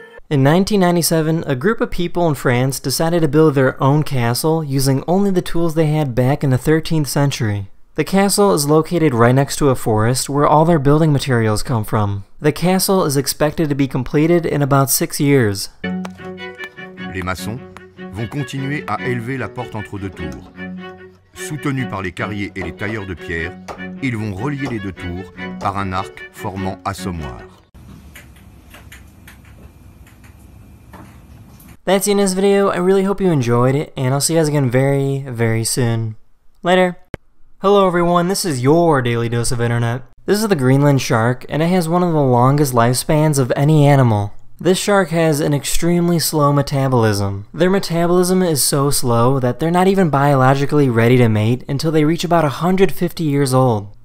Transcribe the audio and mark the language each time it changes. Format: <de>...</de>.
<en>In 1997, a group of people in France decided to build their own castle using only the tools they had back in the 13th century. The castle is located right next to a forest where all their building materials come from. The castle is expected to be completed in about 6 years.</en> <fr>Les maçons vont continuer à élever la porte entre deux tours. Soutenus par les carriers et les tailleurs de pierre, ils vont relier les deux tours par un arc formant assommoir.</fr> <en>That's the end of this video. I really hope you enjoyed it, and I'll see you guys again very, very soon. Later! Hello everyone, this is your Daily Dose of Internet. This is the Greenland shark, and it has one of the longest lifespans of any animal. This shark has an extremely slow metabolism. Their metabolism is so slow that they're not even biologically ready to mate until they reach about 150 years old.</en>